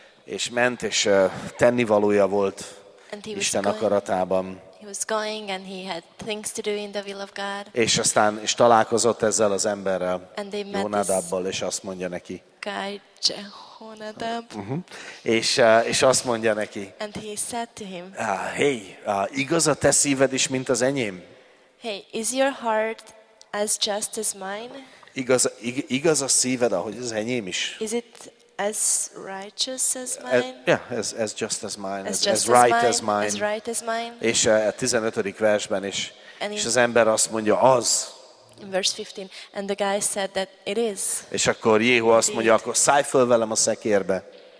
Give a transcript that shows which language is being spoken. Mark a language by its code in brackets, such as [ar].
[hu] És ment és tennivalója volt Isten akaratában. [en] He was going and he had things to do in the will of God. [hu] És aztán is találkozott ezzel az emberrel, Jehonadabbal, és azt mondja neki. [en] Guy Jehonadab. [hu] Uh-huh. És azt mondja neki. [en] And he said to him. [hu] Hey, igaz a te szíved is, mint az enyém? [en] Hey, is your heart as just as mine? [hu] Igaz a szíved, ahogy az enyém is? [en] Is it as righteous as mine? Yeah, as just as mine. As right as mine. [hu] És a 15. versben is. És az ember azt mondja, az. [en] In verse 15, and the guy said that it is. [hu] És akkor Jéhu azt mondja, akkor szállj föl velem a szekérbe.